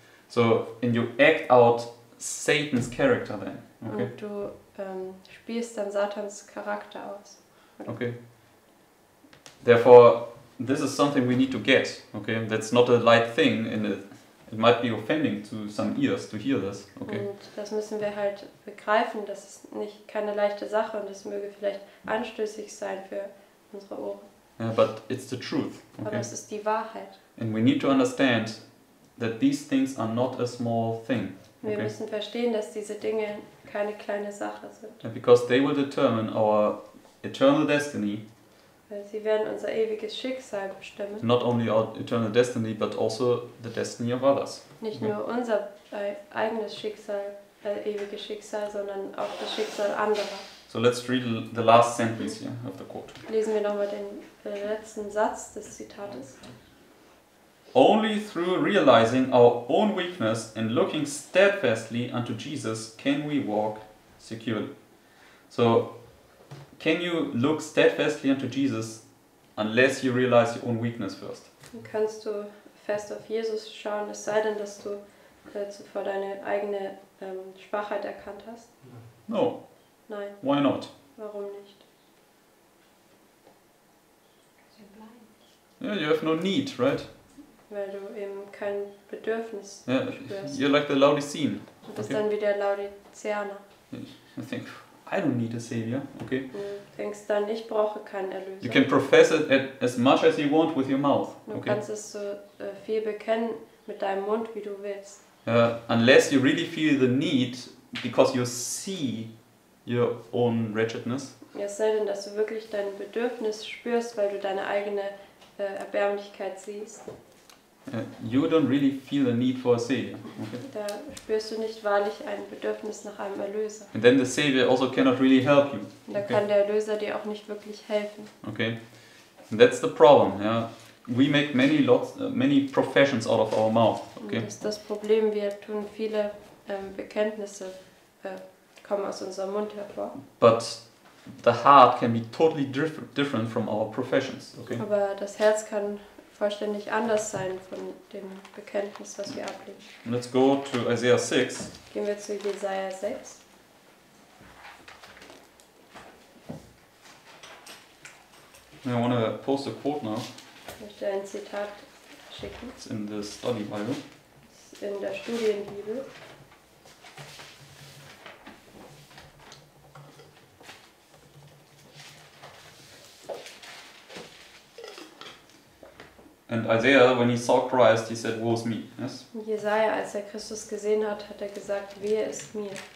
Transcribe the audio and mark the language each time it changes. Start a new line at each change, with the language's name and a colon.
English: So, and you act out Satan's character then. Okay.
German: Und du spielst dann Satans Charakter aus.
English: Okay. Therefore, this is something we need to get. Okay, that's not a light thing, and it might be offending to some ears to hear this. Okay.
German: Und das müssen wir halt begreifen, das ist nicht keine leichte Sache und es möge vielleicht anstößig sein für unsere Ohren.
English: Yeah, but it's the truth. Okay.
German: Aber es ist die Wahrheit.
English: And we need to understand that these things are not a small thing. Okay.
German: Wir müssen verstehen, dass diese Dinge keine kleine Sache sind.
English: And because they will determine our eternal destiny.
German: Weil sie werden unser ewiges Schicksal bestimmen.
English: Not only our eternal destiny, but also the destiny of others.
German: Nicht okay. nur unser eigenes Schicksal, ewiges Schicksal, sondern auch das Schicksal anderer.
English: So let's read the last sentence here of the quote.
German: Lesen wir nochmal den letzten Satz des Zitates.
English: Only through realizing our own weakness and looking steadfastly unto Jesus can we walk securely. So, can you look steadfastly unto Jesus unless you realize your own weakness first?
German: Kannst du fest auf Jesus schauen, es sei denn, dass du zuvor deine eigene Schwachheit erkannt hast?
English: No.
German: Nein.
English: Why not?
German: Warum nicht?
English: Yeah, you have no need, right?
German: Weil du eben kein Bedürfnis
English: yeah,
German: spürst.
English: You're like the Laodicean.
German: Du bist okay. dann wie der Laodiceaner.
English: I think, I don't need a savior. Okay.
German: Du denkst dann, ich brauche keinen Erlöser.
English: You can profess it as much as you want with your mouth.
German: Du
English: okay.
German: kannst es so viel bekennen mit deinem Mund, wie du willst.
English: Unless you really feel the need, because you see your own wretchedness.
German: Ja, es sei denn, dass du wirklich dein Bedürfnis spürst, weil du deine eigene Erbärmlichkeit siehst.
English: You don't really feel a need for a savior.
German: Da spürst du nicht wahrlich ein Bedürfnis nach einem Erlöser.
English: And then the savior also cannot really help you.
German: Da kann der Erlöser dir auch nicht wirklich helfen.
English: Okay. And that's the problem, yeah. We make many professions out of our mouth. Okay.
German: Das ist das Problem, wir tun viele Bekenntnisse kommen aus unserem Mund hervor.
English: But the heart can be totally different from our professions, okay?
German: Aber das Herz kann vollständig anders sein von dem Bekenntnis, was wir ablegen.
English: Let's go to Isaiah 6.
German: Gehen wir zu Jesaja 6.
English: I want to post a quote now.
German: Ich möchte ein Zitat schicken.
English: It's in the study Bible. It's
German: in der Studienbibel.
English: And Isaiah, when he saw Christ, he said, "Woe is me." Yes.
German: Jesaja, als er Christus gesehen hat, hat er gesagt, "Wehe ist mir."